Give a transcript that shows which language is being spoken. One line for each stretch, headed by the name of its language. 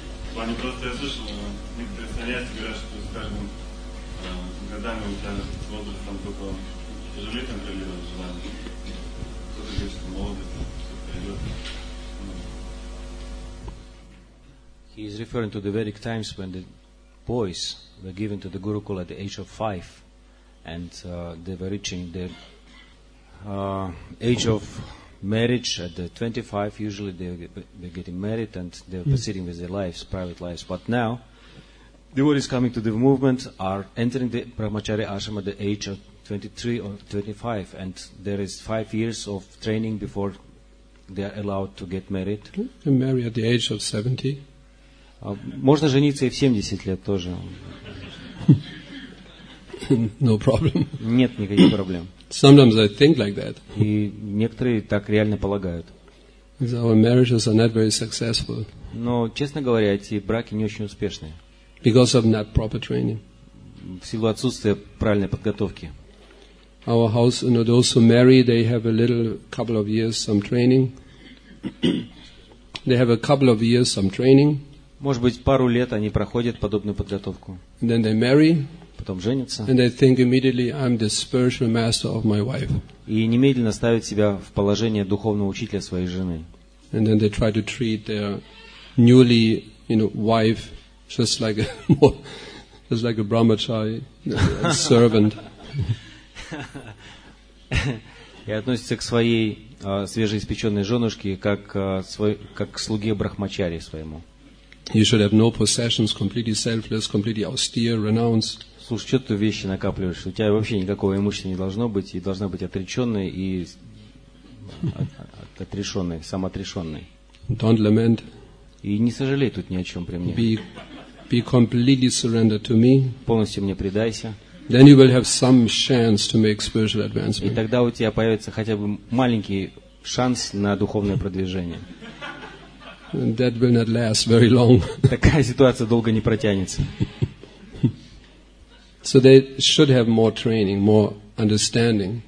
Russian: В плане просто я слышал, некоторые саньяси говорят, что, скажем, годами у тебя с возрастом только тяжелее контролировать желание. Кто-то говорит, что молодец, все пройдет.
English: He is referring to the Vedic times when the boys were given to the Gurukul at the age of 5, and they were reaching the age of marriage at the 25. Usually they were getting married and they were proceeding with their lives, private lives. But now, the devotees coming to the movement are entering the Brahmacharya Ashram at the age of 23 or 25, and there is 5 years of training before they are allowed to get married. You can marry at the age of 70.
Russian: Можно жениться и в 70 лет тоже.
English: No problem.
Russian: Нет никаких проблем.
English: Sometimes I think like that.
Russian: И некоторые так реально полагают.
English: Our marriages are not very successful.
Russian: Но, честно говоря, эти браки не очень успешные.
English: Because of not proper training.
Russian: В силу отсутствия правильной подготовки.
English: Our house, you know, those who marry, they have a little couple of years some training. They have a couple of years some training.
Russian: Может быть, пару лет они проходят подобную подготовку.
English: And then they marry,
Russian: потом женятся.
English: And they think immediately, I'm the spiritual master of my wife.
Russian: И немедленно ставят себя в положение духовного учителя своей жены.
English: And then they try to treat their newly, you know, wife just like a brahmachari servant.
Russian: И относятся к своей свежеиспеченной женушке как к слуге брахмачари своему.
English: You should have no possessions, completely selfless, completely austere, renounced.
Russian: Слушай, что ты вещи накапливаешь? У тебя вообще никакого имущества не должно быть, и должна быть отреченной и отрешенной, самоотрешенной.
English: Don't lament.
Russian: И не сожалей тут ни о чем при мне.
English: Be completely surrendered to me.
Russian: Полностью мне предайся.
English: then you will have some chance to make spiritual advancement.
Russian: И тогда у тебя появится хотя бы маленький шанс на духовное продвижение.
English: And that will not last very long.
Russian: Такая ситуация долго не протянется.
English: So they should have more training, more understanding.